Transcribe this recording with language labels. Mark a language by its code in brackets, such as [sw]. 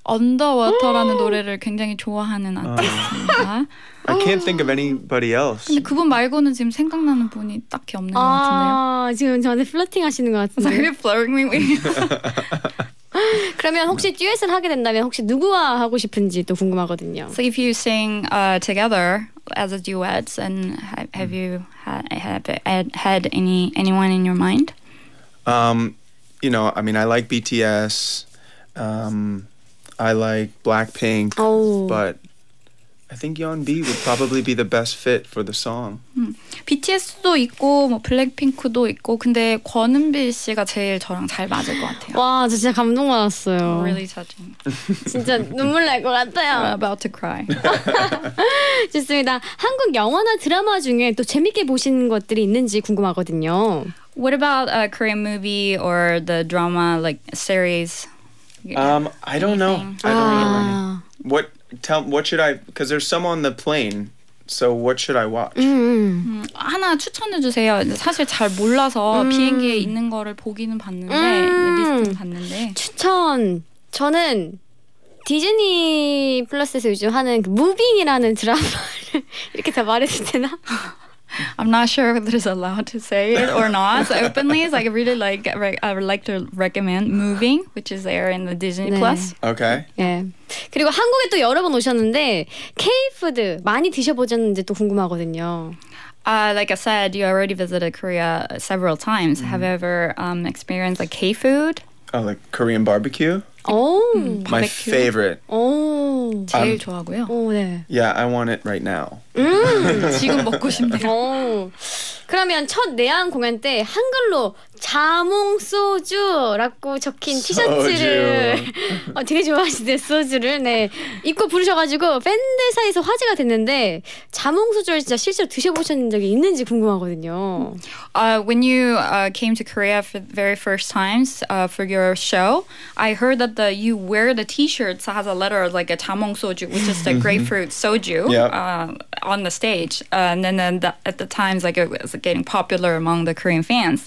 [ko] Underwater라는 노래를 굉장히 좋아하는 아티스트입니다. [en] I can't think of anybody else. [ko] 근데 그분 말고는 지금 생각나는 분이 딱히 없는 것 같은데요. 지금 저한테 플러팅 하시는 것 같은데. [en] Are you flirting with me? [ko] 그러면 혹시 듀엣을 하게 된다면 혹시 누구와 하고 싶은지 또 궁금하거든요. [en] So if you sing together as a duet, and have you had anyone in your mind? You know, I mean, I like BTS, I like Blackpink, but I think Yeon B would probably be the best fit for the song. [ko] BTS도 있고 뭐 블랙핑크도 있고 근데 권은비 씨가 제일 저랑 잘 맞을 것 같아요. 와 진짜 감동 받았어요. [en] Really touching. [ko] 진짜 눈물 날 것 같아요. [en] I'm about to cry. [ko] 좋습니다. 한국 영화나 드라마 중에 또 재밌게 보신 것들이 있는지 궁금하거든요. [en] What about a Korean movie or the drama like series? I don't know. What? Tell what should I? Because there's some on the plane. So what should I watch? [ko] 하나 추천해 주세요. 사실 잘 몰라서 비행기에 있는 거를 보기는 봤는데 리스트는 봤는데. 추천. 저는 디즈니 플러스에서 요즘 하는 그 무빙이라는 드라마를 이렇게 다 말해도 되나? [en] I'm not sure if it is allowed to say it or not openly. So I really like I would like to recommend Moving, which is there in the Disney 네. Plus. Okay. [ko] 예. 그리고 한국에 또 여러 번 오셨는데 K-푸드 많이 드셔보셨는지 또 궁금하거든요. [en] Like I said, you already visited Korea several times. Mm. Have you ever experienced like K-food? Oh, like Korean barbecue. Oh, my favorite. Oh, [ko] 제일 좋아하고요. Oh, 네. [en] Yeah, I want it right now. [ko] 지금 먹고 싶네요. 그러면 첫 내한 공연 때 한글로 자몽 소주라고 적힌 티셔츠를 되게 좋아하시는 소주를 네 입고 부르셔가지고 팬들 사이에서 화제가 됐는데 자몽 소주를 진짜 실제로 드셔보신 적이 있는지 궁금하거든요. [en] When you came to Korea for the very first times for your show, I heard that the you wear the T-shirt that has a letter of like a 자몽 소주, which is the grapefruit soju. Yep. On the stage, and then at the times like it was getting popular among the Korean fans.